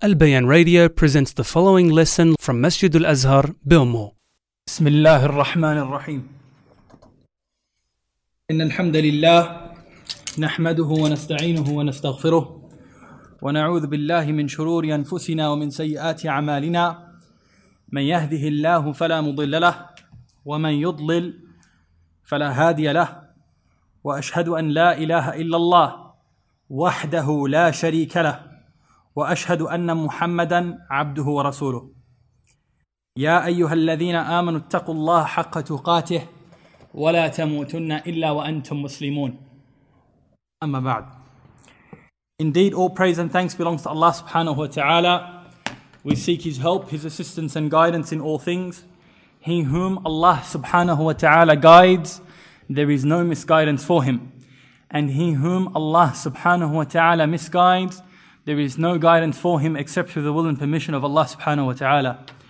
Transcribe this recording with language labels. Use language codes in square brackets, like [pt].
[en] البيان radio presents the following lesson from مسجد الأزهر بأمه. [ar] بسم الله الرحمن الرحيم. إن الحمد لله نحمده ونستعينه ونستغفره ونعوذ بالله من شرور أنفسنا ومن سيئات أعمالنا، من يهده الله فلا مضل له ومن يضلل فلا هادي له، وأشهد أن لا إله إلا الله وحده لا شريك له، وأشهد أن محمدًا عبده ورسوله. يا أيها الذين آمنوا اتقوا الله حق تقاته ولا تموتن إلا وأنتم مسلمون. أما بعد. [en] Indeed, all praise and thanks belongs to Allah subhanahu wa ta'ala. We seek His help, His assistance and guidance in all things. He whom Allah subhanahu wa ta'ala guides, there is no misguidance for Him. And he whom Allah subhanahu wa ta'ala misguides, there is no guidance for him except through the will and permission of Allah subhanahu wa ta'ala.